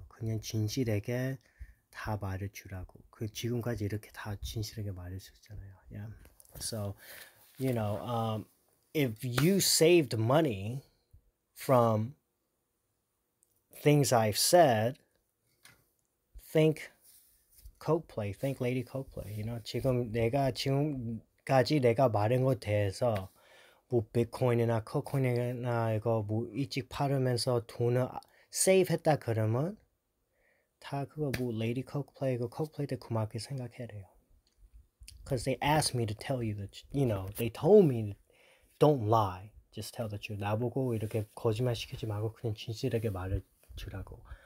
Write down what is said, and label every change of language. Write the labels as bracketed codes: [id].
[ko] 그냥 진실하게 다 말해주라고. 그 지금까지 이렇게 다 진실하게 말해주셨잖아요. [en] Yeah. So, you know, if you saved money from things I've said, think Coke Play, think Lady Coke Play. You know, 지금 내가 지금까지 내가 말한 것 대해서 뭐 비트코인이나 코코인이나 이거 뭐 일찍 팔으면서 돈을 save했다 그러면 다 그거 뭐 Lady Coke Play, 그 Coke Play 때 고맙게 생각해야 돼요. Because they asked me to tell you that, you know, they told me don't lie. Just tell the truth. [ko] 나보고 이렇게 거짓말 시키지 말고 그냥 진실하게 말을 주라고.